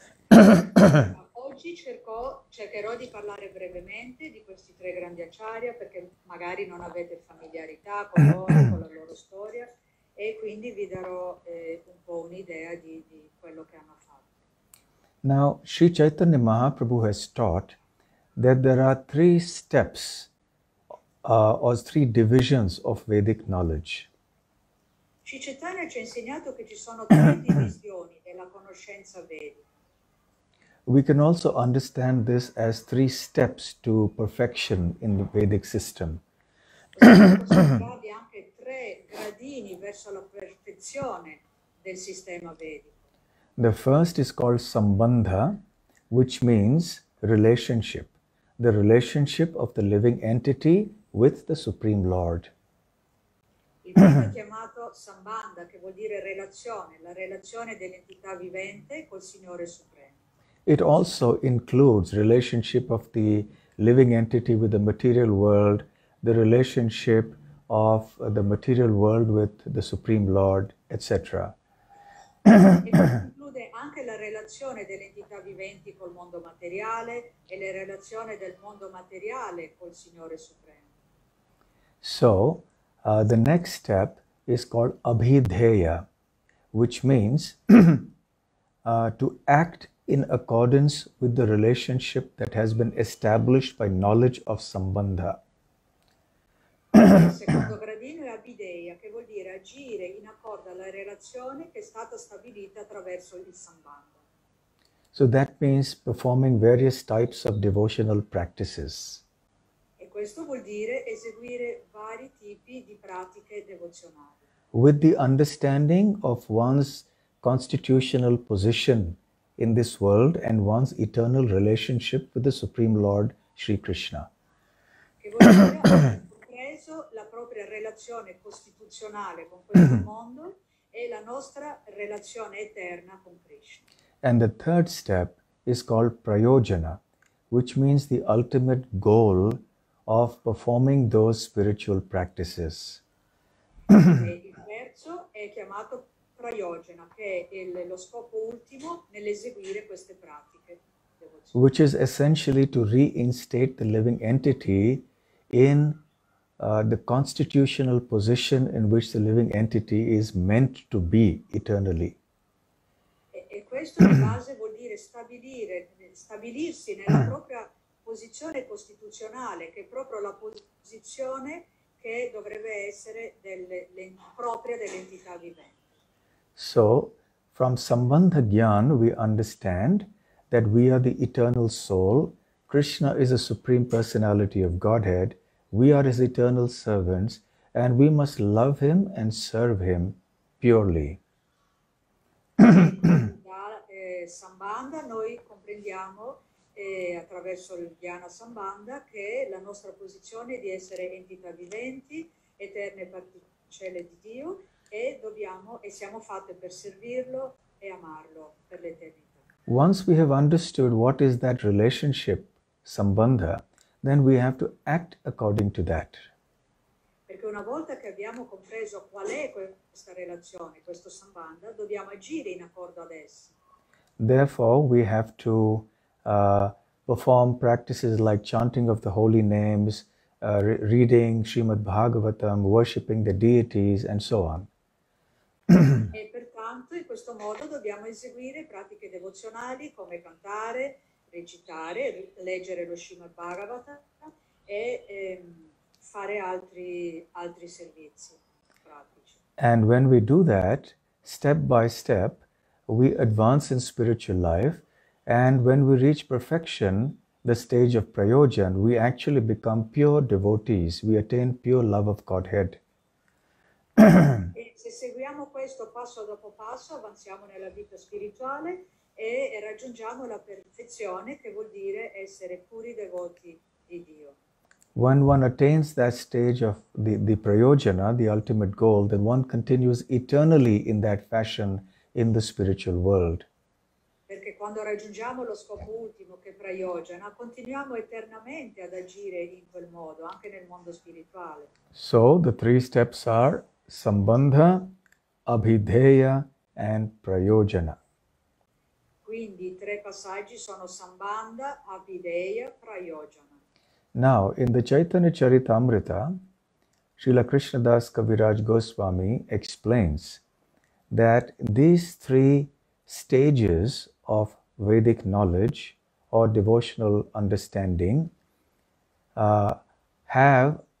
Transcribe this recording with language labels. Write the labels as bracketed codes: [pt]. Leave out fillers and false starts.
[it] Oggi cercherò di parlare brevemente di questi tre grandi acharya perché magari non avete familiarità con loro, con la loro storia, e quindi vi darò un po' un'idea di quello che hanno fatto. [en] Now, Sri Chaitanya Mahaprabhu has taught that there are three steps or three divisions of Vedic knowledge. [it] Sri Chaitanya ci ha insegnato che ci sono tre divisioni della conoscenza vedica. [en] We can also understand this as three steps to perfection in the Vedic system. [it] Possiamo anche tre gradini verso la perfezione del sistema vedico. [en] The first is called Sambandha, which means relationship, the relationship of the living entity with the Supreme Lord. [it] Il primo è chiamato Sambandha, che vuol dire relazione, la relazione dell'entità vivente col Signore Supremo. [en] It also includes relationship of the living entity with the material world, the relationship of the material world with the Supreme Lord, etc. [it] Anche la relazione delle entità viventi col mondo materiale e le relazioni del mondo materiale col Signore Supremo. [en] So, the next step is called Abhidheya, which means to act in accordance with the relationship that has been established by knowledge of Sambandha. [it] Il secondo gradino è Abhidheya, che vuol dire agire in accordo alla relazione che è stata stabilita attraverso il Sambandha. [en] So that means performing various types of devotional practices. [it] E questo vuol dire eseguire vari tipi di pratiche devozionali. [en] With the understanding of one's constitutional position in this world and one's eternal relationship with the Supreme Lord Sri Krishna. [it] Compreso la propria relazione costituzionale con questo mondo e la nostra relazione eterna con Krishna. [en] And the third step is called Prayojana, which means the ultimate goal of performing those spiritual practices. [it] È chiamato Prayojana, che è lo scopo ultimo nell'eseguire queste pratiche devozionali. [en] Which is essentially to reinstate the living entity in the constitutional position in which the living entity is meant to be eternally. [it] E questo di base vuol dire stabilirsi nella propria posizione costituzionale, che è proprio la posizione che dovrebbe essere propria dell'entità vivente. [en] So, from Sambandha Gyan, we understand that we are the eternal soul, Krishna is a supreme personality of Godhead, we are his eternal servants, and we must love him and serve him purely. [it] Da Sambandha noi comprendiamo attraverso il Dhyana Sambandha che la nostra posizione è di essere entità viventi, eterne particelle di Dio, e dobbiamo e siamo fatte per servirlo e amarlo per l'eternità. [en] Once we have understood what is that relationship, Sambandha, then we have to act according to that. [it] Perché una volta che abbiamo compreso qual è questa relazione, questo Sambandha, dobbiamo agire in accordo ad essa. [en] Therefore, we have to perform practices like chanting of the holy names, reading Srimad Bhagavatam, worshipping the deities, and so on. [it] E pertanto in questo modo dobbiamo eseguire pratiche devozionali come cantare, recitare, leggere lo Srimad Bhagavatam e fare altri servizi pratici. [en] And when we do that, step by step, we advance in spiritual life. And when we reach perfection, the stage of Prayojan, we actually become pure devotees. We attain pure love of Godhead. [it] E se seguiamo questo passo dopo passo, avanziamo nella vita spirituale e raggiungiamo la perfezione, che vuol dire essere puri devoti di Dio. [en] When one attains that stage of the Prayojana, the ultimate goal, then one continues eternally in that fashion in the spiritual world. [it] Perché quando raggiungiamo lo scopo ultimo, che è Prayojana, continuiamo eternamente ad agire in quel modo, anche nel mondo spirituale. [en] So, the three steps are Sambandha, Abhidheya and Prayojana. [it] Quindi i tre passaggi sono Sambandha, Abhidheya, Prayojana. [en] Now, in the Chaitanya Charitamrita, Srila Krishna Dasa Kaviraj Goswami explains that these three stages of Vedic knowledge or devotional understanding have